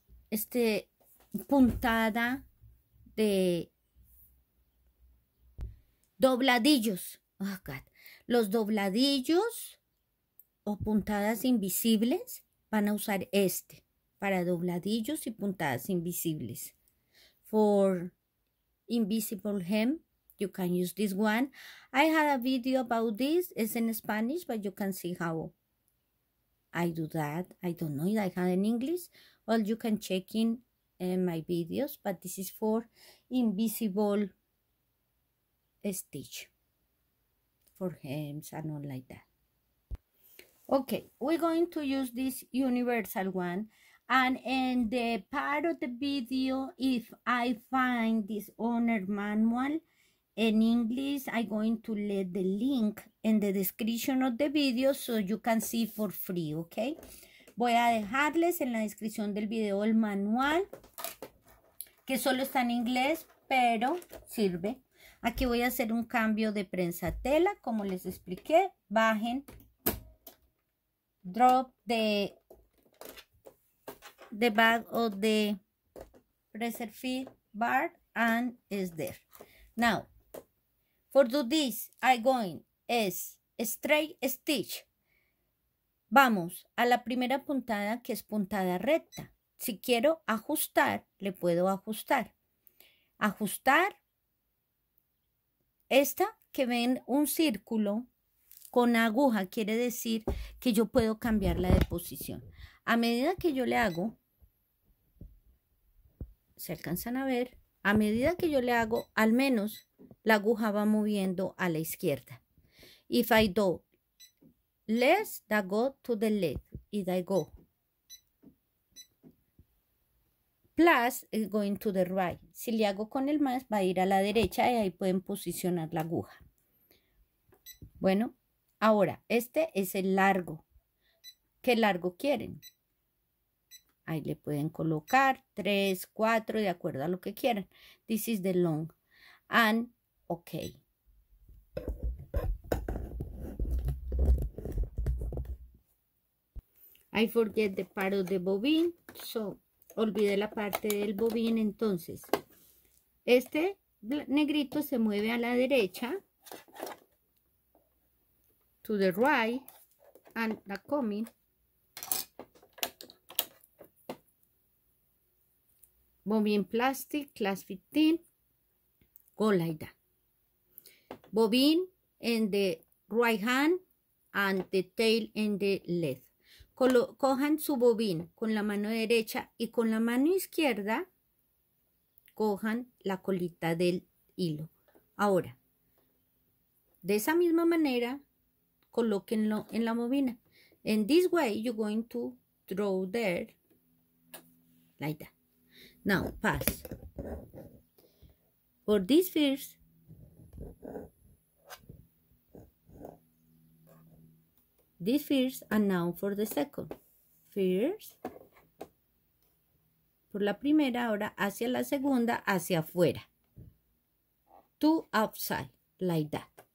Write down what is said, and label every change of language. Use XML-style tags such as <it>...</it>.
<es>Este puntada de... Dobladillos.</es> <en>Oh, God.</en> <es>Los dobladillos o puntadas invisibles van a usar este para dobladillos y puntadas invisibles.</es> <en>For invisible hem, you can use this one. I had a video about this. It's in Spanish, but you can see how I do that. I don't know if I had in English. Well, you can check in my videos, but this is for invisible stitch. For hems and all like that. Okay, we're going to use this universal one. And in the part of the video, if I find this owner manual in English, I'm going to let the link in the description of the video so you can see for free, okay?</en> <es>Voy a dejarles en la descripción del video el manual, que solo está en inglés, pero sirve. Aquí voy a hacer un cambio de prensa tela, como les expliqué. Bajen.</es> <en>Drop the bag of the presser feed bar and is there. Now, for do this, I going is straight stitch.</en> <es>Vamos a la primera puntada que es puntada recta. Si quiero ajustar, le puedo ajustar. Ajustar. Esta que ven un círculo con aguja quiere decir que yo puedo cambiarla de posición. A medida que yo le hago, se alcanzan a ver, a medida que yo le hago, al menos la aguja va moviendo a la izquierda.</es> <en>If I do less, that go to the left. If I go plus, going to the right.</en> <es>Si le hago con el más, va a ir a la derecha y ahí pueden posicionar la aguja. Bueno, ahora, este es el largo. ¿Qué largo quieren? Ahí le pueden colocar 3, 4, de acuerdo a lo que quieran.</es> <en>This is the long. And, ok. I forget the part of the bobbin, so...</en> <es>Olvidé la parte del bobín, entonces. Este negrito se mueve a la derecha.</es> <en>To the right. And the coming. Bobine plastic, class 15, go like that. Bobine in the right hand and the tail in the left.</en> <es>Cojan su bobín con la mano derecha y con la mano izquierda cojan la colita del hilo. Ahora, de esa misma manera, colóquenlo en la bobina.</es> <en>In this way, you're going to draw there like that. Now, pass. For this first, this first, and now for the second. First,</en> <es>por la primera, ahora hacia la segunda, hacia afuera.</es> <en>To outside, like that.</en>